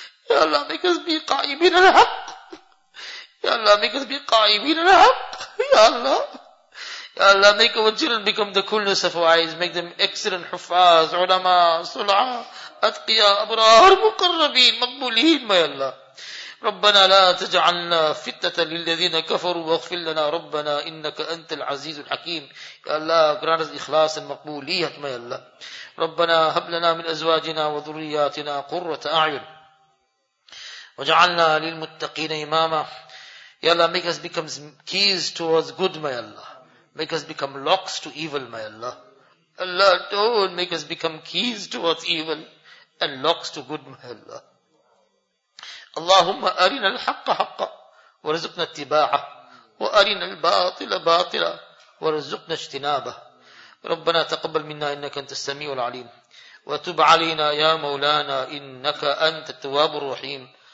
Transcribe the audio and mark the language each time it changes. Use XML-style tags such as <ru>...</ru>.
<en>Ya Allah, make us be qa'ibin al-haq. Ya Allah, make us be qa'ibin al-haq. Ya Allah. Ya Allah, make our children become the coolness of our eyes, make them excellent huffaz, ulama, sul'a, atqiya, abrar, muqarrabin, maqbulin, my Allah.</en> <ar>ربنا لا تجعلنا فتنة للذين كفروا واغفر لنا ربنا إنك أنت العزيز الحكيم. يا الله grant us إخلاص المقبولية يا الله. ربنا هب لنا من أزواجنا وذرياتنا قرة أعين وجعلنا للمتقين إماما.</ar> <en>يا الله make us become keys towards good يا الله. Make us become locks to evil يا الله. Allah don't make us become keys towards evil and locks to good يا الله.</en> <ar>اللهم أرنا الحق حقا ورزقنا اتباعه وأرنا الباطل باطلا ورزقنا اجتنابه ربنا تقبل منا إنك أنت السميع العليم وتب علينا يا مولانا إنك أنت التواب الرحيم</ar>